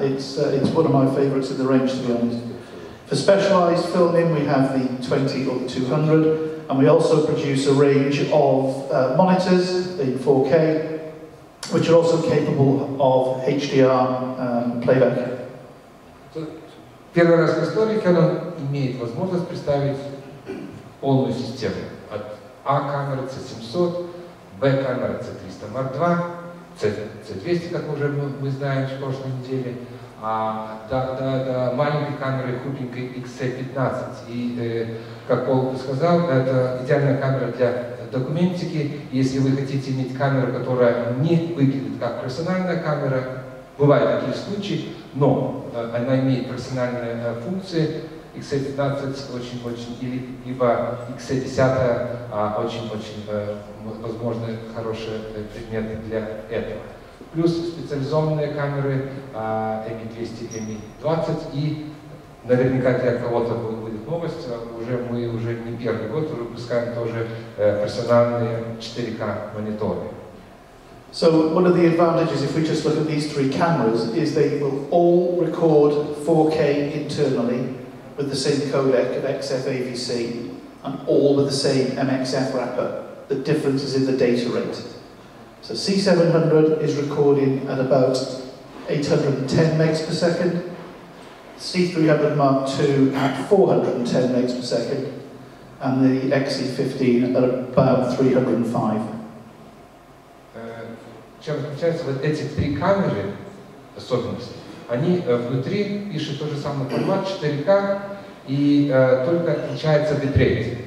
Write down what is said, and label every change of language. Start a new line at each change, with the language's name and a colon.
English: It's one of my favorites in the range, to be honest. For specialized filming, we have the 20 or the 200, and we also produce a range of monitors in 4K, which are also capable of HDR playback.
Russian: Первый раз в истории Canon имеет возможность представить полную систему. От А камеры C700, Б камеры C300 Mark II, C200, как уже мы знаем в прошлой неделе, до маленькой камеры худенькой XC15. И, как Пол сказал, это идеальная камера для документики. Если вы хотите иметь камеру, которая не выглядит как персональная камера, бывают такие случаи, но она имеет персональные функции. XC15 очень-очень, либо XC10 очень-очень, возможно, хороший предмет для этого. Плюс специализованные камеры M200, M20, и наверняка для кого-то будет новость, мы уже не первый год выпускаем тоже персональные 4K мониторы.
English: So one of the advantages, if we just look at these three cameras, is they will all record 4K internally with the same codec of XFAVC. and all with the same MXF wrapper. The difference is in the data rate. So C700 is recording at about 810 megs per second, C300 Mark II at 410 megs per second, and the XE15 at about 305.
Russian: Чем отличаются вот эти три камеры, особенности? Они внутри пишут тот же самый формат 4К, и только отличается битрейт.